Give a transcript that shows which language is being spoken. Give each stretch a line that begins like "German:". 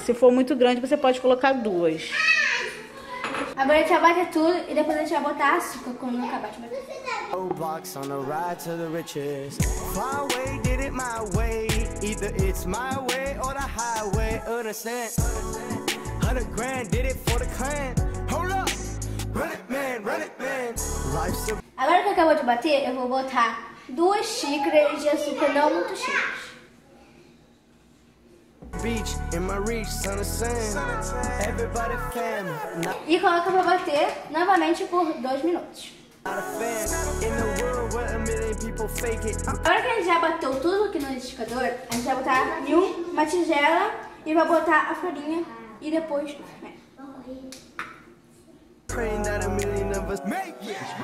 Portuguese: Se for muito grande, você pode colocar 2. Agora a gente vai bater tudo e depois a gente vai botar açúcar quando acabar de bater.
English: Fly away, did it my way. Either it's my way or the highway. Understand? 100 grand, did it for the clan. Hold up, run it man, run it man. Life's a...
Portuguese: Agora que acabou de bater, eu vou botar 2 xícaras de açúcar, não muito xícaras.
English: Beach in my reach, sun is sand. Everybody fam.
Portuguese: E coloca pra bater novamente por 2 minutos. Agora que a gente já bateu tudo aqui no liquidificador, a gente vai botar em uma tigela e vai botar a farinha e depois o fermento.
English: praying that a million of us make history.